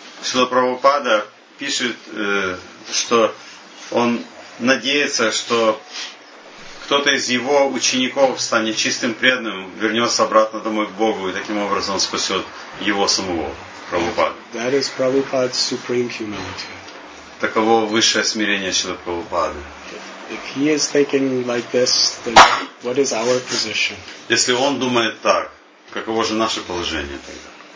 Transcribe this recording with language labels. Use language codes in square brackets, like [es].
[ru] Srila Prabhupada пишет, что он надеется, что кто-то из его учеников станет чистым преданным, вернется обратно домой к Богу, и таким образом спасет его самого, Прабхупада. [en] That is Prabhupada's supreme humility. [ru] Таково высшее смирение Шрилы Прабхупады. [en] If he is thinking like this, then what is our position? [ru] Если он думает так, каково же наше положение тогда?